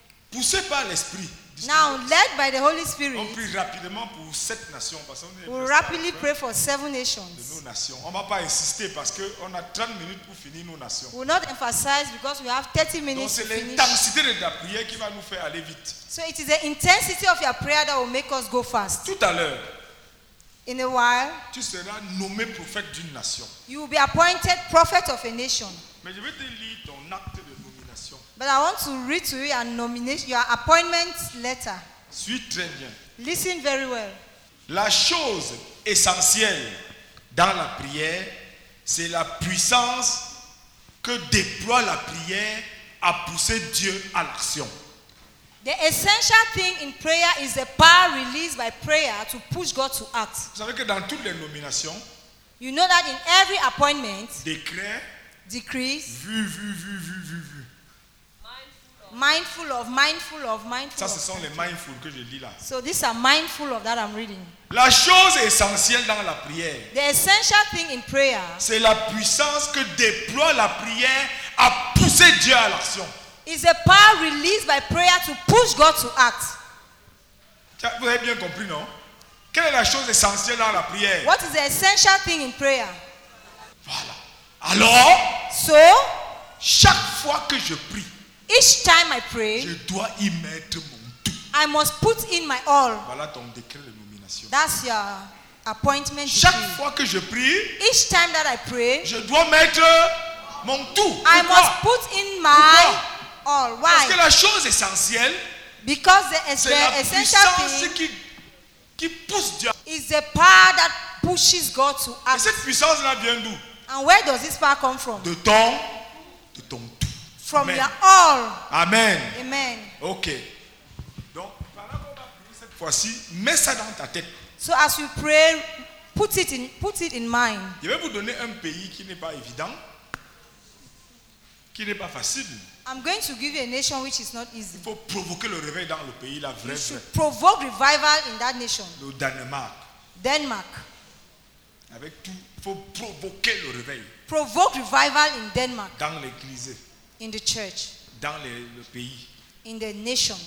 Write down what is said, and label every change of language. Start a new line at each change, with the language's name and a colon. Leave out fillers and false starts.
French: Poussé par l'esprit.
English: Now, led by the Holy Spirit,
French: on prie rapidement pour sept nations.
English: We'll rapidly pray for seven nations.
French: De nos nations. On ne va pas insister parce qu'on a 30 minutes pour finir nos nations.
English: We'll not emphasize because we have 30 minutes.
French: Donc, c'est l'intensité de la prière qui va nous faire aller vite.
English: So it is the intensity of your prayer that will make us go fast.
French: Tout à l'heure.
English: In a while.
French: Tu seras nommé prophète d'une nation.
English: You will be appointed prophet of a nation.
French: Mais je vais te lire ton acte de
English: but I want to read to you your appointment letter.
French: Suis très bien.
English: Listen very well.
French: La chose essentielle dans la prière, c'est la puissance que déploie la prière à pousser Dieu à l'action.
English: The essential thing in prayer is the power released by prayer to push God to act.
French: Vous savez que dans toutes les nominations,
English: you know that in every appointment,
French: décret,
English: decrees,
French: vu.
English: Mindful of.
French: Ça, ce sont les mindful que je lis là.
English: So these are mindful of that I'm reading.
French: La chose essentielle dans la prière,
English: the essential thing in prayer,
French: c'est la puissance que déploie la prière à pousser Dieu à l'action.
English: Is the power released by prayer to push God to act.
French: Vous avez bien compris, non? Quelle est la chose essentielle dans la prière?
English: What is the essential thing in prayer?
French: Voilà. Alors,
English: so,
French: chaque fois que je prie,
English: each time I pray,
French: je dois y mettre mon tout.
English: I must put in my all.
French: Voilà ton décret de nomination.
English: That's your appointment.
French: Chaque fois que je prie,
English: each time that I pray,
French: je dois mettre mon tout.
English: I must put in my all. Why?
French: Parce que la chose essentielle,
English: because the essential thing,
French: qui pousse Dieu,
English: is the power that pushes God to act.
French: Et cette puissance là vient d'où?
English: And where does this power come from?
French: De ton tout.
English: From your all. Amen. Amen. Ok.
French: Donc, pendant qu'on va prier cette fois-ci, mets ça dans ta tête.
English: So as you pray, put it in mind.
French: Je vais vous donner un pays qui n'est pas évident, qui n'est pas facile.
English: I'm going to give you a nation which is not easy.
French: Il faut provoquer le réveil dans le pays, la vraie.
English: You should provoke revival in that nation.
French: Le Danemark.
English: Denmark.
French: Avec tout, il faut provoquer le réveil.
English: Provoke revival in Denmark.
French: Dans l'église.
English: In the church.
French: Dans le pays.
English: In the nation.